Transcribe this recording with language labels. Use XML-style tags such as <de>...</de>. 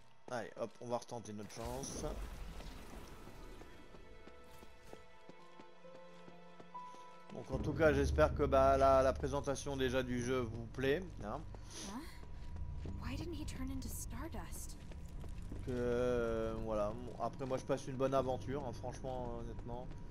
<fr>Allez, hop, on va retenter notre chance. Donc en tout cas, j'espère que la présentation déjà du jeu vous plaît. Hein.</fr> <en>Why didn't he turn into Stardust?</en> <fr>Que voilà. Bon, après, moi, je passe une bonne aventure. Hein, franchement, honnêtement.</fr>